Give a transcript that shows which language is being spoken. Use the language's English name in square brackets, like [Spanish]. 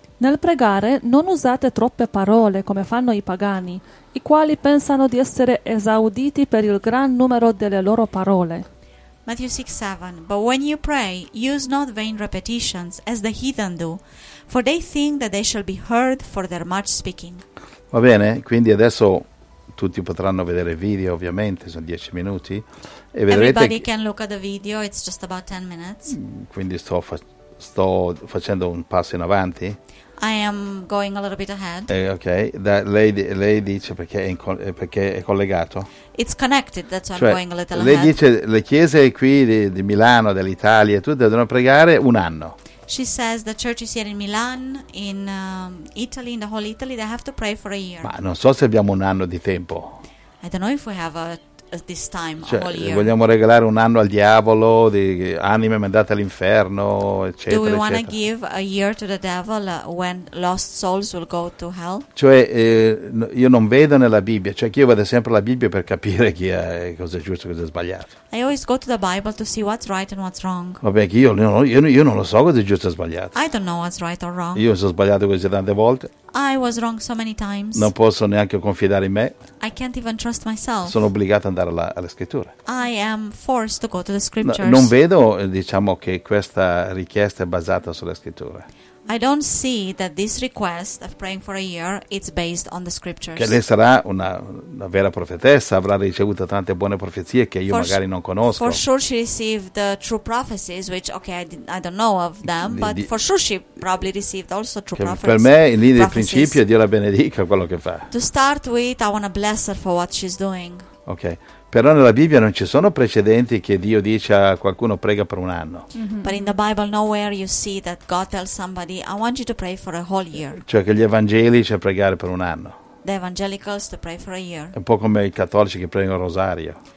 [Italian] Nel pregare non usate troppe parole come fanno i pagani, i quali pensano di essere esauditi per il gran numero delle loro parole. [English] Matthew 6:7. But when you pray, use not vain repetitions as the heathen do, for they think that they shall be heard for their much speaking. [Italian] Va bene, quindi adesso tutti potranno vedere video, ovviamente sono 10 minuti e vedrete. [English] Everybody can look at the video. It's just about 10 minutes. [Italian] Quindi sto facendo un passo in avanti. [English] I am going a little bit ahead. [Italian] Okay, lei dice perché è collegato. [English] It's connected, that's why [Italian] cioè, [English] I'm going a little [Italian] lei [English] ahead. [Italian] Lei dice le chiese qui di Milano, dell'Italia, tutte devono pregare un anno. [English] She says the churches here in Milan, in Italy, in the whole Italy, they have to pray for a year. [Italian] Ma non so se abbiamo un anno di tempo. [English] I don't know if we have this time, [Italian] cioè, [English] a whole year. [Italian] Vogliamo regalare un anno al diavolo, di anime mandate all'inferno, eccetera. [English] Do we want to give a year to the devil when lost souls will go to hell? [Italian] Cioè, io non vedo nella Bibbia, cioè che io vedo sempre la Bibbia per capire chi è, cosa è giusto e cosa è sbagliato. [English] I always go to the Bible to see what's right and what's wrong. [Italian] Vabbè, che io non lo so cosa è giusto e sbagliato. [English] I don't know what's right or wrong. [Italian] Io sono sbagliato così tante volte. [English] I was wrong so many times. [Italian] Non posso neanche confidare in me. [English] I can't even trust myself. [Italian] Sono obbligato ad andare alle scritture. [English] I am forced to go to the scriptures. [Italian] No, non vedo, diciamo, che questa richiesta è basata sulle scritture. [English] I don't see that this request of praying for a year is based on the scriptures. [Italian] Che lei sarà una vera profetessa, avrà ricevuto tante buone profezie che io magari non conosco. [English] For sure she received the true prophecies, which okay, I don't know of them, but for sure she probably received also true prophecies. [Italian] Per me in linea di principio Dio la benedica quello che fa. [English] To start with, I want to bless her for what she's doing. Okay. [Italian] Però nella Bibbia non ci sono precedenti che Dio dice a qualcuno prega per un anno. Mm-hmm. [English] But in the Bible nowhere you see that God tells somebody I want you to pray for a whole year. [Italian] Cioè che gli evangelici a pregare per un anno. [English] The evangelicals to pray for a year. [Italian] È un po' come i cattolici che pregano il rosario.